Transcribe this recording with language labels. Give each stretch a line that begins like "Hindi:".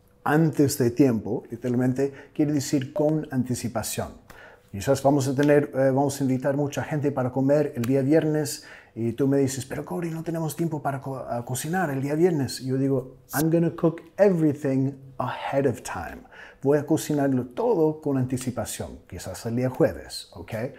Spanish: Antes de tiempo, literalmente, quiere decir con anticipación. Quizás vamos a invitar mucha gente para comer el día viernes y tú me dices, pero Corey, no tenemos tiempo para cocinar el día viernes. Y yo digo,
English: I'm gonna cook everything ahead of time.
Spanish: Voy a cocinarlo todo con anticipación, quizás el día jueves, ¿ok?